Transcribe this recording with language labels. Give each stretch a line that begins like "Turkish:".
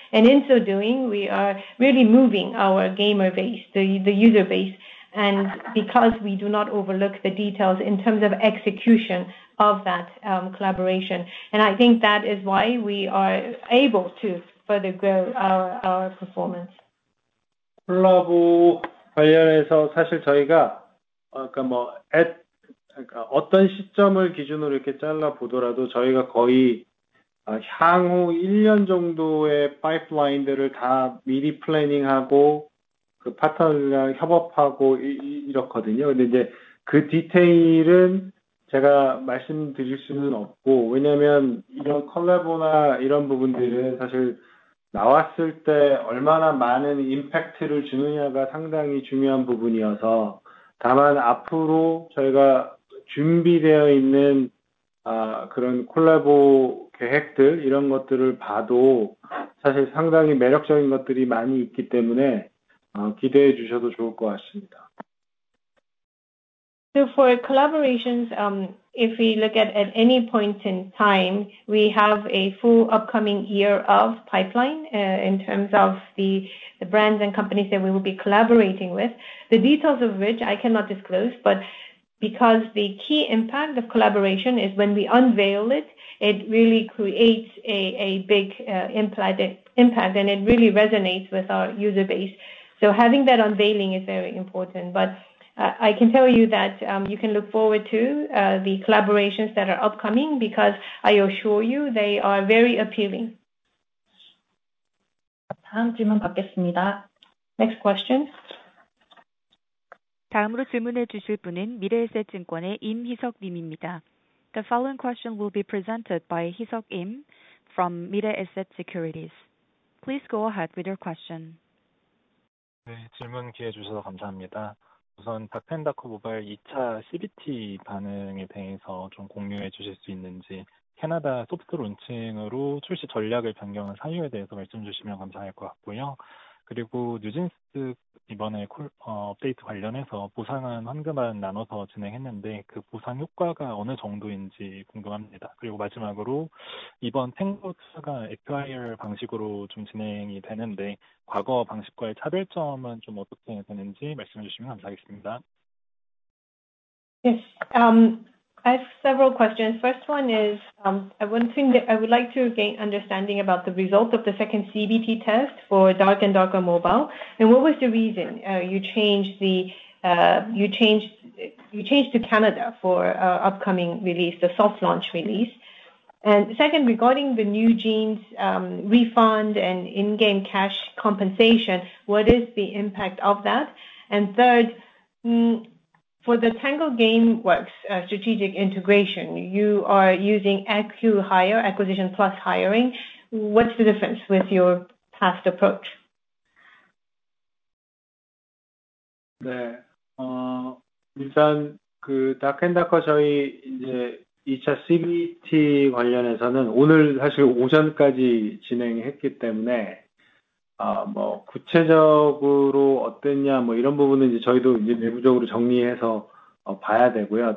English: And in so doing, we are really moving our gamer base, the user base, and because we do not overlook the details in terms of execution of that collaboration. And I think that is why we are able to further grow our performance.
Korean: 콜라보 관련해서 사실 저희가 아까 뭐 그러니까 어떤 시점을 기준으로 이렇게 잘라 보더라도 저희가 거의 향후 1년 정도의 파이프라인들을 다 미리 플래닝하고 그 파트너들이랑 협업하고 이렇거든요. 근데 이제 그 디테일은 제가 말씀드릴 수는 없고, 왜냐면 이런 콜라보나 이런 부분들은 사실 나왔을 때 얼마나 많은 임팩트를 주느냐가 상당히 중요한 부분이어서, 다만 앞으로 저희가 준비되어 있는 그런 콜라보 계획들 이런 것들을 봐도 사실 상당히 매력적인 것들이 많이 있기 때문에 기대해 주셔도 좋을 것 같습니다.
English: So for collaborations, if we look at any point in time, we have a full upcoming year of pipeline in terms of the brands and companies that we will be collaborating with, the details of which I cannot disclose, but because the key impact of collaboration is when we unveil it, it really creates a big impact, and it really resonates with our user base. So having that unveiling is very important. But I can tell you that you can look forward to the collaborations that are upcoming, because I assure you they are very appealing.
Korean: 다음 질문 받겠습니다.
English: Next question.
Korean: 다음으로 질문해 주실 분은 미래에셋증권의 임희석 님입니다.
English: The following question will be presented by Hisok Im from Mirae Asset Securities. Please go ahead with your question.
Korean: 네, 질문 기회 주셔서 감사합니다. 우선 닷펜다코 모바일 2차 CBT 반응에 대해서 좀 공유해 주실 수 있는지, 캐나다 소프트 론칭으로 출시 전략을 변경한 사유에 대해서 말씀 주시면 감사할 것 같고요. 그리고 뉴진스 이번에 업데이트 관련해서 보상안 황금안 나눠서 진행했는데 그 보상 효과가 어느 정도인지 궁금합니다. 그리고 마지막으로 이번 탱고 투자가 FIR 방식으로 좀 진행이 되는데 과거 방식과의 차별점은 좀 어떻게 되는지 말씀해 주시면 감사하겠습니다.
English: Yes, I have several questions. First one is I would like to gain understanding about the result of the second CBT test for Dark and Darker Mobile. And what was the reason you changed to Canada for upcoming release, the soft launch release? And second, regarding the new jeans refund and in-game cash compensation, what is the impact of that? And third, for the Tango Gameworks strategic integration, you are using AccuHire, Acquisition Plus Hiring. What's the difference with your past approach?
Korean: 네, 일단 그 다켄다커 저희 이제 2차 CBT 관련해서는 오늘 사실 오전까지 진행했기 때문에 뭐 구체적으로 어땠냐 뭐 이런 부분은 이제 저희도 이제 내부적으로 정리해서 봐야 되고요.